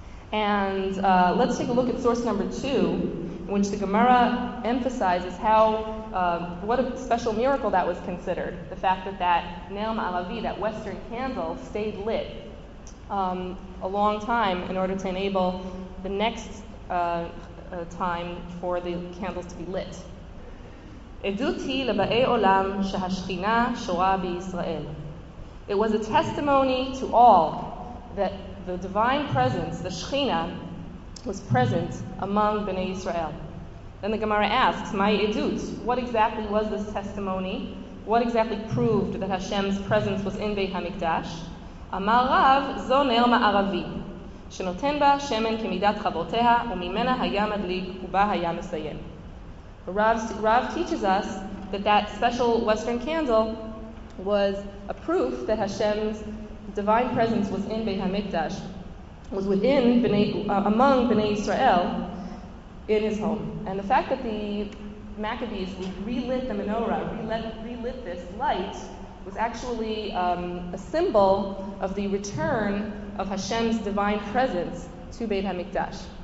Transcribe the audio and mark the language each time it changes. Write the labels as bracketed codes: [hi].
[en] And let's take a look at source number two, in which the Gemara emphasizes how what a special miracle that was considered, the fact that that Ner Ma'aravi, that western candle, stayed lit a long time in order to enable the next time for the candles to be lit. [he] עדותי לבאי עולם שהשכינה שורה בישראל. [en] It was a testimony to all that the divine presence, the Shekhinah, was present among Bnei Israel. Then the Gemara asks, my edut, what exactly was this testimony? What exactly proved that Hashem's presence was in Beit HaMikdash? [he] Amar Rav, זו נר מערבי, שנותן בה שמן כמידת חברותיה, וממנה היה מדליק ובה היה מסיים. [en] Rav teaches us that that special western candle was a proof that Hashem's divine presence was in Beit HaMikdash, was within among Bnei Israel in his home. And the fact that the Maccabees relit the menorah, relit this light, was actually a symbol of the return of Hashem's divine presence to Beit HaMikdash.